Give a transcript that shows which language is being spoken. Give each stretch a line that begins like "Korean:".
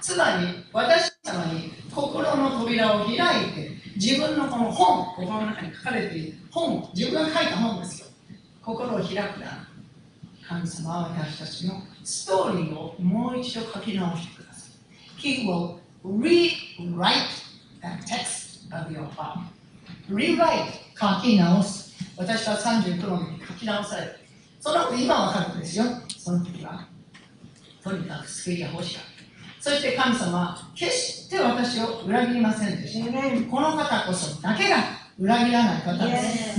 Japanese: つまり私様に心の扉を開いて自分のこの本心の中に書かれている本自分が書いた本ですよ。心を開くなら神様は私たちのストーリーをもう一度書き直してください。
English: He will rewrite the text of your heart.
Japanese: Rewrite 書き直す。私は39年に書き直されて、その後今は分かるんですよ。その時はとにかく救いが欲しかった。そして神様は決して私を裏切りませんでした。この方こそだけが裏切らない方です。